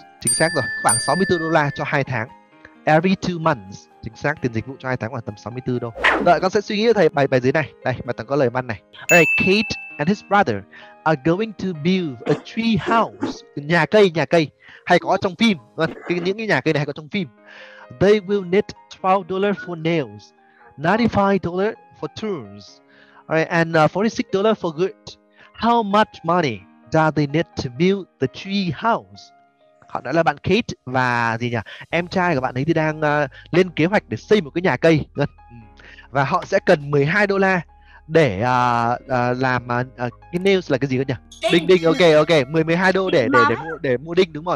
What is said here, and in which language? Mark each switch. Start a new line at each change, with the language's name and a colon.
Vietnamese: Chính xác rồi, khoảng 64 đô la cho 2 tháng.
English: Every 2 months.
Vietnamese: Chính xác, tiền dịch vụ cho 2 tháng khoảng tầm 64 đô. Đợi con sẽ suy nghĩ cho thầy bài bài dưới này. Đây, bài tập có lời văn này.
English: Alright, Kate and his brother are going to build a tree house.
Vietnamese: Nhà cây hay có trong phim. Những cái nhà cây này hay có trong phim.
English: They will need $12 for nails, $95 for tools, alright, and $46 for wood. How much money do they need to build the tree house?
Vietnamese: Họ nói là bạn Kate và gì nhỉ? Em trai của bạn ấy thì đang lên kế hoạch để xây một cái nhà cây. Và họ sẽ cần $12 để làm cái nails là cái gì cơ nhỉ? Đinh đinh, ok ok, 10-12 đô để mua đinh, đúng rồi.